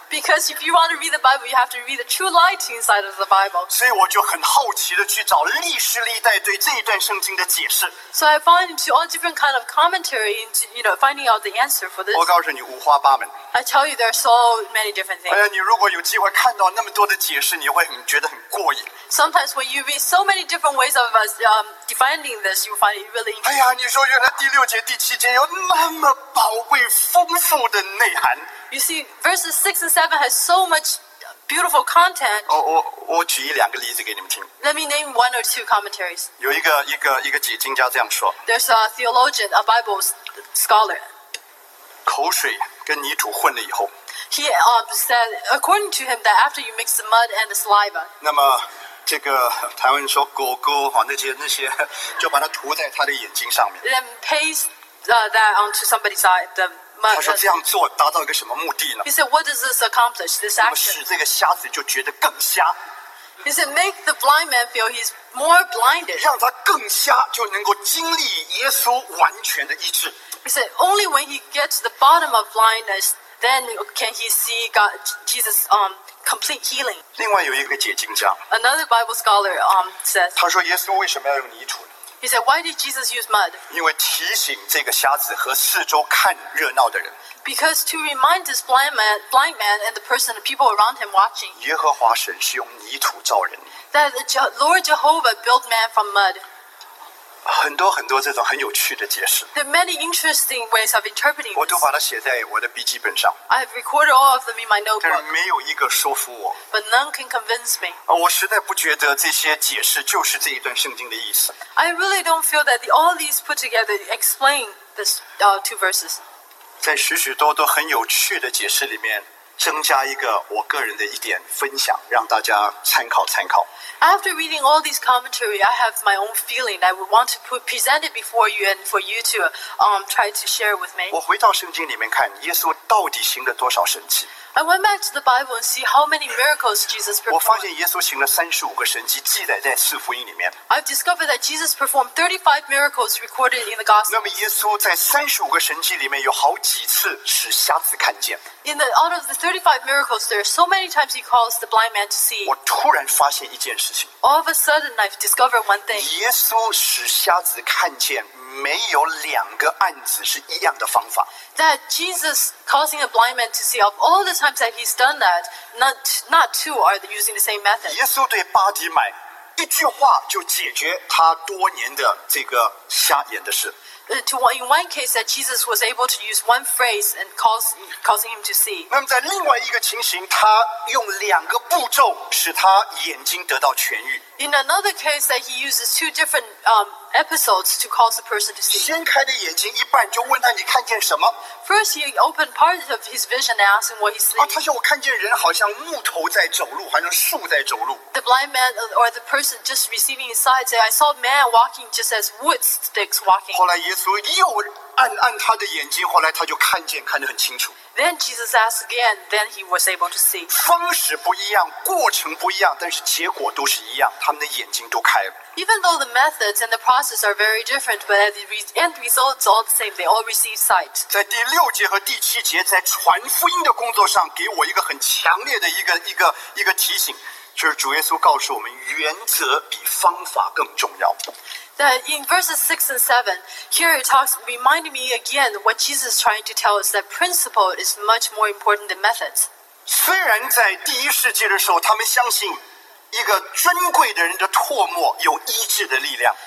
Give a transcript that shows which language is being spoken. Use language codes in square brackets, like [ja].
[en] Because if you want to read the Bible, you have to read the true light inside of the Bible. [zh] 所以我就很好奇地去找历史历代对这一段圣经的解释。 [en] So I found into all different kind of commentary into, you know, finding out the answer for this. [zh] 我告诉你五花八门。 [en] I tell you there are so many different things. [zh] 你如果有机会看到那么多的解释，你会很觉得。 [en] Sometimes when you read so many different ways of us defining this, you find it really interesting. [zh] 哎呀，你说原来第六节、第七节有那么宝贵、丰富的内涵。 [en] You see, verses 6 and 7 has so much beautiful content. [zh] 我举一两个例子给你们听。 [en] Let me name one or two commentaries. [zh] 有一个解经家这样说。 [en] There's a theologian, a Bible scholar. [zh] 口水跟泥土混了以后。 [en] He said, according to him, that after you mix the mud and the saliva. [zh] 那么，这个台湾人说狗狗哈那些，就把它涂在他的眼睛上面。 [en] Then paste that onto somebody's eye. The mud. [zh] 他说这样做达到一个什么目的呢 [en] ？He said, what does this accomplish? This action. [zh] 那么使这个瞎子就觉得更瞎。 [en] He said, make the blind man feel he's more blinded. [zh] 让他更瞎，就能够经历耶稣完全的医治。 [en] He said, only when he gets to the bottom of blindness. Then can he see God, Jesus, complete healing? [zh] 另外有一个解经家 [en] Another Bible scholar, says. [zh] 他说耶稣为什么要用泥土呢 [en] He said, "Why did Jesus use mud?" [zh] 因为提醒这个瞎子和四周看热闹的人 [en] Because to remind this blind man and the person, the people around him watching. [zh] 耶和华神是用泥土造人 [en] That the Lord Jehovah built man from mud. [zh] 很多很多这种很有趣的解释。 [en] There are many interesting ways of interpreting. [zh] 我都把它写在我的笔记本上。 [en] I've recorded all of them in my notebook. [zh] 但是没有一个说服我。 [en] But none can convince me. [zh] 我实在不觉得这些解释就是这一段圣经的意思。 [en] I really don't feel that all these put together explain this two verses. [zh] 在许许多多很有趣的解释里面增加一个我个人的一点分享，让大家参考参考。 [en] After reading all these commentary, I have my own feeling that I would want to present it before you and for you to try to share with me. [zh] 我回到圣经里面看，耶稣到底行了多少神迹？ [en] I went back to the Bible and see how many miracles Jesus performed. [zh] 我发现耶稣行了35个神迹，记载在四福音里面。 [en] I've discovered that Jesus performed 35 miracles recorded in the Gospels. [zh] 那么耶稣在35个神迹里面有好几次使瞎子看见。 [en] In the out of the 35 miracles, there are so many times he calls the blind man to see. [zh] 我突然发现一件事情。 [en] All of a sudden, I've discovered one thing. [zh] 耶稣使瞎子看见。没有两个案子是一样的方法。 [en] That Jesus causing a blind man to see, of all the times that he's done that, not two are using the same method. [zh] 耶稣对巴迪买一句话就解决他多年的这个瞎眼的事。 [en] In one case, that Jesus was able to use one phrase and causing him to see. [zh] 那么在另外一个情形，他用两个步骤使他眼睛得到痊愈。 [en] In another case, that he uses two different episodes to cause the person to see. [zh] 先开的眼睛一半，就问他你看见什么 [en] ？First, he opened part of his vision and asked him what he sees. [zh] 啊，他说我看见人好像木头在走路，好像树在走路。 [en] The blind man or the person just receiving his sight said, "I saw a man walking just as wood sticks walking." [zh] 后来耶稣又按他的眼睛，后来他就看得很清楚。 [en] Then Jesus asked again. Then he was able to see. [zh] 方式不一样，过程不一样，但是结果都是一样。他们的眼睛都开了。 [en] Even though the methods and the process are very different, but the end results all the same. They all receive sight. [zh] 在第六节和第七节，在传福音的工作上，给我一个很强烈的一个提醒，就是主耶稣告诉我们，原则比方法更重要。 [en] That in verses 6 and 7, here it talks, reminding me again what Jesus is trying to tell us, that principle is much more important than methods. [zh] 虽然在第一世纪的时候，他们相信一个尊贵的人的唾沫有医治的力量。